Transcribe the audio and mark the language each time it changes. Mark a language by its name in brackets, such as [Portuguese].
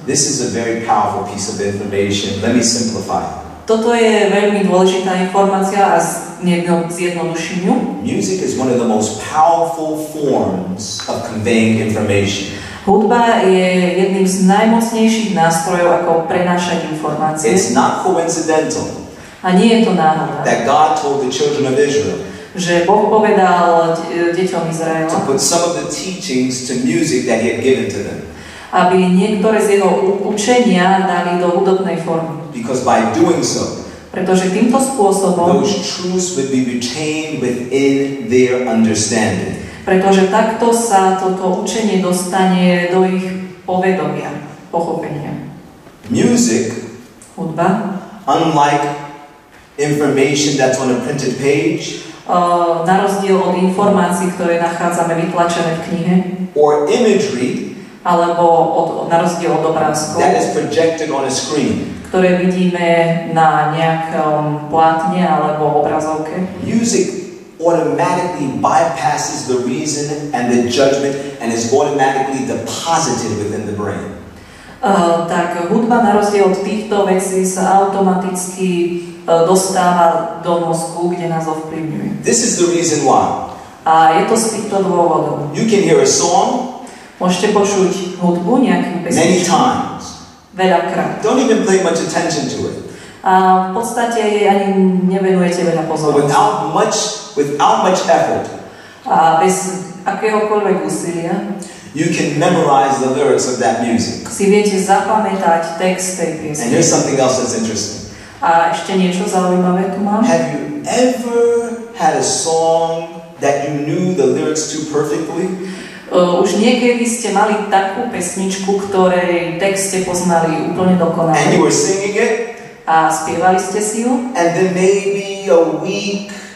[English] This is a very powerful piece of information. Let me simplify. [Slovak] Toto je veľmi dôležitá informácia a zjednoduším ju. [English] Music is one of the most powerful forms of conveying information. [Slovak] Hudba je jedným z najmocnejších nástrojov, ako prenášať informácie. [English] It's not coincidental. [Slovak] A nie je to náhoda. [English] That God told the children of Israel. [Slovak] Že Boh povedal deťom Izraela. [English] To put some of the teachings to music that he had given to them. [Slovak] Aby niektoré z jeho učenia dali do hudobnej formy. [English] Because by doing so. [Slovak] Pretože týmto spôsobom. [English] Those truths would be retained within their understanding. [Slovak] Pretože takto sa toto učenie dostane do ich povedomia, pochopenia. [English] Music, [Slovak] hudba, [English] unlike information that's on a printed page, [Slovak] na rozdiel od informácií, ktoré nachádzame vytlačené v knihe, [English] or imagery, [Slovak] alebo na rozdiel od obrázku, [English] that is projected on a screen, [Slovak] ktoré vidíme na nejakom plátne alebo obrazovke, [English] music automatically bypasses the reason and the judgment and is automatically deposited within the brain. [Slovak] Tak hudba na rozdiel od týchto vecí sa automaticky dostáva do mozgu, kde nás ovplyvňuje. [English] This is the reason why. [Slovak] A je to z týchto dôvodov. [English] You can hear a song. [Slovak] Môžete počuť hudbu nejakú pesničku. [English] Many times. [Slovak] Veľakrát. [English] Don't even pay much attention to it. [Slovak] A v podstate ani nevenujete veľa pozornosti. [English] Without much effort. [Slovak] A bez akéhokoľvek úsilia. [English] You can memorize the lyrics of that music. [Slovak] Si viete zapamätať text tej piesne. [English] And here's something else that's interesting. [Slovak] A ešte niečo zaujímavé tu mám. [English] Have you ever had a song that you knew the lyrics to perfectly? [Slovak] Už niekedy ste mali takú pesničku, ktorej text ste poznali úplne dokonale. [English] And you were singing it? [Slovak] A spievali ste si ju? [English] And then maybe a week